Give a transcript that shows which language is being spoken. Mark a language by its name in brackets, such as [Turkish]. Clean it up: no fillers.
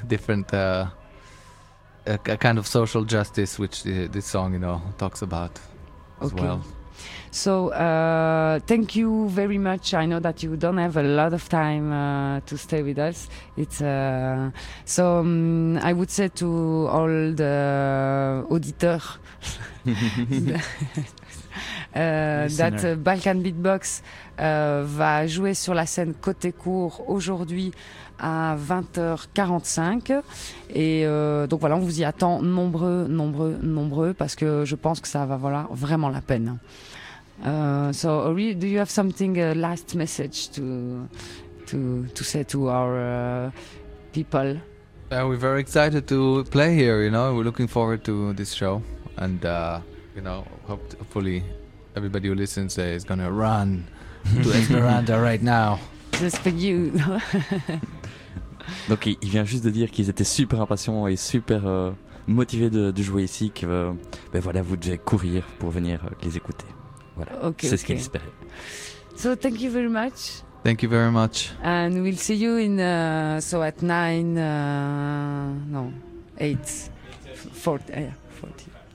[English] Different a kind of social justice, which this song, you know, talks about as well. So thank you very much. I know that you don't have a lot of time to stay with us. I would say to all the [French] auditeurs [English] that [French] Balkan Beatbox va jouer sur la scène Côté Court aujourd'hui à 20h45. Et donc voilà, on vous y attend nombreux, nombreux, nombreux, parce que je pense que ça va valoir vraiment la peine. [English] So, Ori, do you have something, a last message to say to our people? We're very excited to play here, you know. We're looking forward to this show, and you know, hopefully, everybody who listens is gonna run to Esperanza right now. Just for you. [French] Donc, il vient juste de dire qu'ils étaient super impatients et super motivés de jouer ici. Que ben voilà, vous devez courir pour venir les écouter. Voilà. [English] Okay, [French] c'est [English] okay. [French] Ce qu'il espérait. [English] So thank you very much. Thank you very much. And we'll see you in so at 9 no 8 40 yeah 40.